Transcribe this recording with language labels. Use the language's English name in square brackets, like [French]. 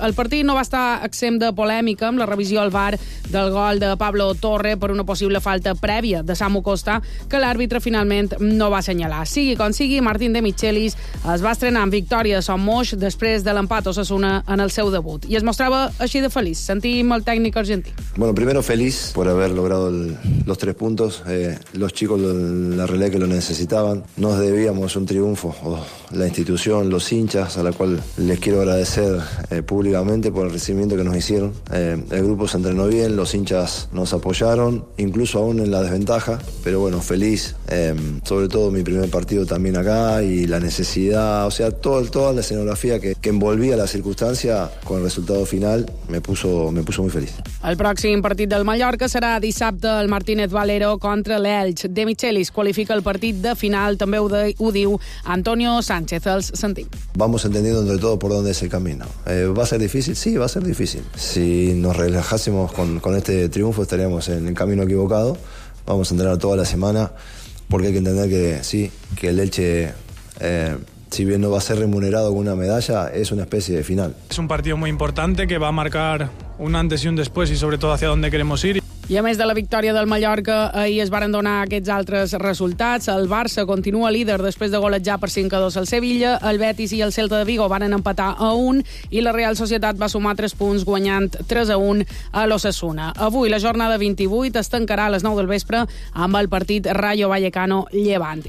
[Catalan] El partit no va estar exempt de polèmica amb la revisió al VAR del gol de Pablo Torre per una possible falta prèvia de Samu Costa, que l'àrbitre finalment no va assenyalar. Sigui com sigui, Martín de Michelis es va estrenar amb victòria a Son Moix després de l'empat a Osasuna en el seu debut. I es mostrava així de feliç. Sentim el tècnic argentí. [Spanish] Bueno, primero feliz por haber logrado los tres puntos. Los chicos la relé que lo necesitaban. Nos debíamos un triunfo. La institución, los hinchas, a la cual les quiero agradecer públicamente por el recibimiento que nos hicieron. El grupo se entrenó bien, los hinchas nos apoyaron, incluso aún en la desventaja, pero bueno, feliz, sobre todo mi primer partido también acá y la necesidad, o sea, toda la escenografía que envolvía la circunstancia con el resultado final me puso muy feliz. [Catalan] El pròxim partit del Mallorca serà dissabte al Martínez Valero contra l'Elx. De Michelis qualifica el partit de final, també ho diu Antonio Sánchez. Els sentim. [Spanish] Vamos entendiendo entre todos por dónde es el camino. ¿Va a ser difícil? Sí, va a ser difícil. Si nos relajásemos con este triunfo, estaríamos en el camino equivocado. Vamos a entrenar toda la semana, porque hay que entender que sí, que el Elche, si bien no va a ser remunerado con una medalla, es una especie de final. Es un partido muy importante que va a marcar un antes y un después y sobre todo hacia dónde queremos ir. [Catalan] I a més de la victòria del Mallorca, ahir es varen donar aquests altres resultats. El Barça continua líder després de golejar per 5-2 al Sevilla, el Betis i el Celta de Vigo varen empatar a 1 i la Real Societat va sumar 3 punts guanyant 3-1 a l'Osasuna. Avui la jornada 28 es tancarà a les 9 del vespre amb el partit Rayo Vallecano-Llevant.